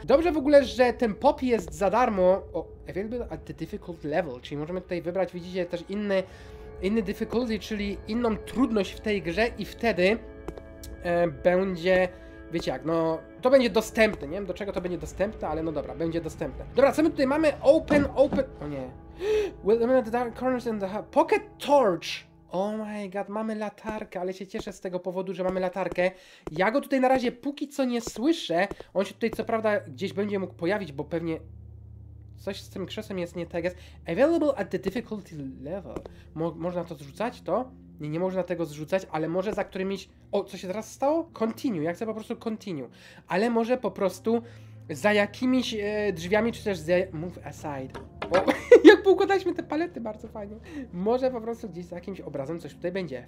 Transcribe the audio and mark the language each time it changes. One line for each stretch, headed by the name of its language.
Polish: Dobrze w ogóle, że ten Poppy jest za darmo. O,
English: available at the difficult level,
Polish: czyli możemy tutaj wybrać, widzicie, też inny difficulty, czyli inną trudność w tej grze i wtedy będzie... Wiecie jak, no to będzie dostępne, nie wiem do czego to będzie dostępne, ale no dobra, będzie dostępne. Dobra, co my tutaj mamy? Open, o nie.
English: We'll eliminate the dark corners and the pocket torch. Oh my god,
Polish: mamy latarkę, ale się cieszę z tego powodu, że mamy latarkę. Ja go tutaj na razie póki co nie słyszę, on się tutaj co prawda gdzieś będzie mógł pojawić, bo pewnie coś z tym krzesłem jest nie tak.
English: Available at the difficulty level.
Polish: Można to zrzucać, to? Nie, nie można tego zrzucać, ale może za którymiś... O, co się teraz stało? Continue, ja chcę po prostu continue. Ale może po prostu za jakimiś drzwiami, czy też za...
English: Move aside.
Polish: O, jak poukładaliśmy te palety, bardzo fajnie. Może po prostu gdzieś za jakimś obrazem coś tutaj będzie.